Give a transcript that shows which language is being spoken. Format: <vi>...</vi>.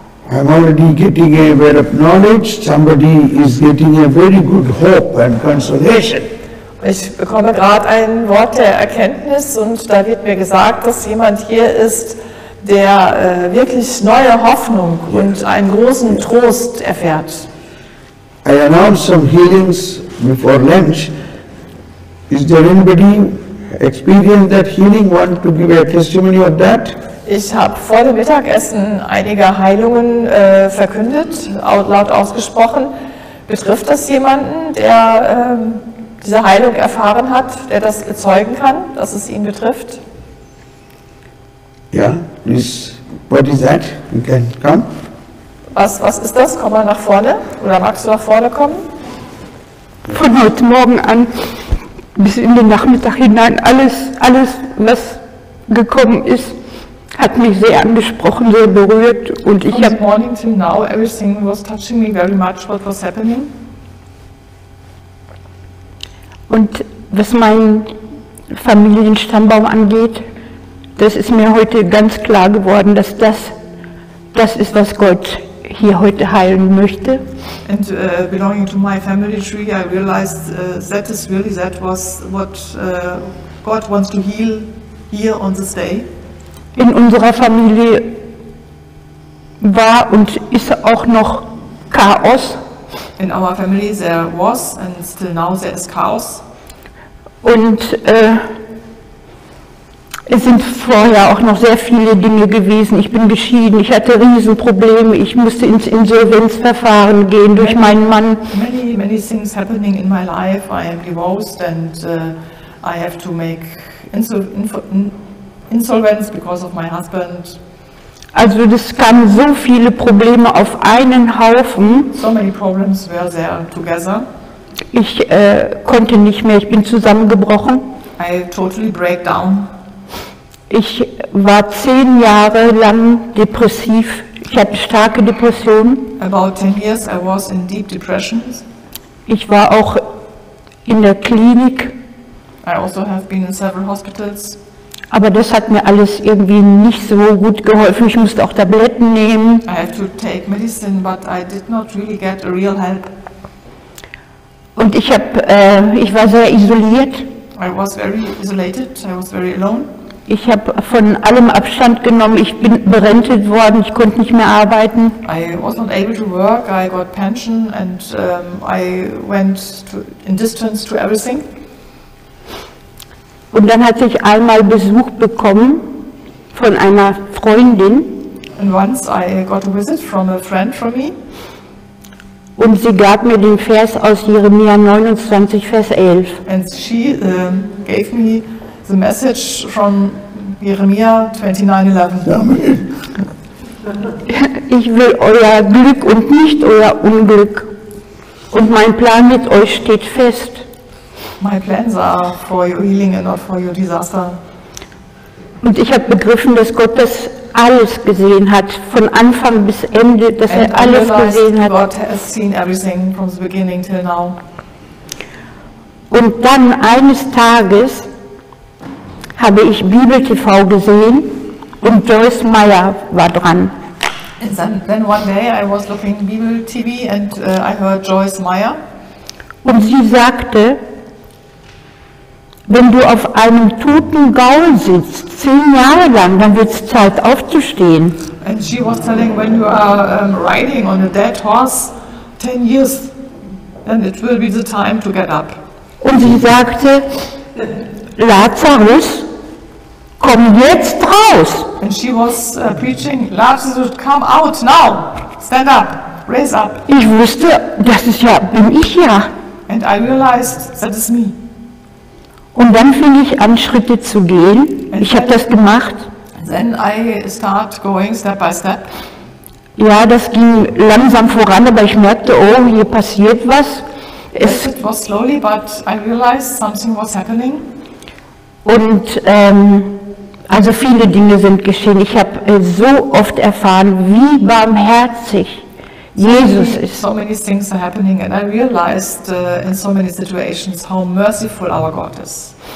<en>I'm already getting a word of knowledge. Somebody is getting a very good hope and consolation.</en> <de>Ich bekomme gerade ein Wort der Erkenntnis und da wird mir gesagt, dass jemand hier ist, der wirklich neue Hoffnung und einen großen Trost erfährt.</de> <en>I announced some healings before lunch. Is there anybody experienced that healing, want to give a testimony of that?</en> <de>Ich habe vor dem Mittagessen einige Heilungen verkündet, laut ausgesprochen. Betrifft das jemanden, der diese Heilung erfahren hat, der das bezeugen kann, dass es ihn betrifft?</de> <en>Ja, please, what is that? You can come.</en> <de>Was ist das? Komm mal nach vorne. Oder magst du nach vorne kommen? Von heute Morgen an bis in den Nachmittag hinein, alles, was gekommen ist, hat mich sehr angesprochen, sehr berührt. Und ich</de> <en>habe. From morning till now, everything was touching me very much. What was happening?</en> <de>Und was meinen Familienstammbaum angeht, das ist mir heute ganz klar geworden, dass das ist, was Gott hier heute heilen möchte.</de> <en>And belonging to my family tree, I realized that is really that was what God wants to heal here on this day.</en> <de>In unserer Familie war und ist auch noch Chaos.</de> <en>In our family there was and still now there is Chaos.</en> <de>Und es sind vorher auch noch sehr viele Dinge gewesen. Ich bin geschieden, ich hatte Riesenprobleme, ich musste ins Insolvenzverfahren gehen durch meinen Mann.</de> <en>Many, many things happening in my life. I am divorced and I have to make insolvenz because of my husband.</en> <de>Also das kamen so viele Probleme auf einen Haufen.</de> <en>So many problems were there together.</en> <de>Ich konnte nicht mehr, ich bin zusammengebrochen.</de> <en>I totally break down.</en> <de>Ich war 10 Jahre lang depressiv. Ich hatte starke Depressionen.</de> <en>About 10 years I was in deep depressions.</en> <de>Ich war auch in der Klinik.</de> <en>I also have been in several hospitals.</en> <de>Aber das hat mir alles irgendwie nicht so gut geholfen. Ich musste auch Tabletten nehmen.</de> <en>I had to take medicine, but I did not really get a real help.</en> <de>Und ich war sehr isoliert.</de> <en>I was very isolated. I was very alone.</en> <de>Ich habe von allem Abstand genommen, ich bin berentet worden, ich konnte nicht mehr arbeiten.</de> <en>I was not able to work, I got pension and I went to, in distance to everything.</en> <de>Und dann hatte ich einmal Besuch bekommen von einer Freundin.</de> <en>And once I got a visit from a friend from me.</en> <de>Und sie gab mir den Vers aus Jeremia 29, Vers 11.</de> <en>And she gave me the message from Jeremiah 29:11.</en> <de>Ich will euer Glück und nicht euer Unglück. Und mein Plan mit euch steht fest.</de> <en>My plans are for your healing and not for your disaster.</en> <de>Und ich habe begriffen, dass Gott das alles gesehen hat, von Anfang bis Ende, dass</de> <en>and</en> <de>er alles gesehen hat.</de> <en>God has seen everything from the beginning till now.</en> <de>Und dann eines Tages habe ich Bibel TV gesehen und Joyce Meyer war dran.</de> <en>Then one day I was looking Bibel TV and I heard Joyce Meyer.</en> <de>Und sie sagte, wenn du auf einem toten Gaul sitzt 10 Jahre lang, dann wird es Zeit aufzustehen.</de> <en>And she was telling, when you are riding on a dead horse 10 years, then it will be the time to get up.</en> <de>Und sie sagte, Lazarus, komm jetzt raus!</de> <en>And she was preaching, Lazarus, come out now! Stand up, raise up!</en> <de>Ich wusste, das ist ja, bin ich ja.</de> <en>And I realized, that is me.</en> <de>Und dann fing ich an, Schritte zu gehen. And ich habe das gemacht.</de> <en>Then I start going step by step.</en> <de>Ja, das ging langsam voran, aber ich merkte, oh, hier passiert was.</de> <en>Yes, it was slowly, but I realized something was happening.</en> <de>Und also viele Dinge sind geschehen. Ich habe so oft erfahren, wie barmherzig Jesus ist.</de> <en>So many things are happening and I realized in so many situations how merciful our God is.</en>